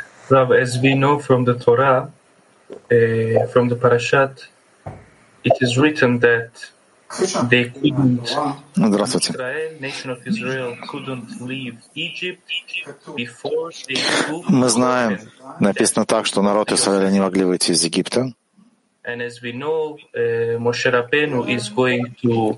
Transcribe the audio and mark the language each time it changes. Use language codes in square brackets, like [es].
[en] Рав, as we know from the Torah, from the Parashat, it is written that they couldn't. [ru] Здравствуйте. [en] Israel, nation of Israel, couldn't leave Egypt before they took. [ru] Мы знаем, написано так, что народ Израиля не могли выйти из Египта. [en] And as we know, Moshe Rabbeinu is going to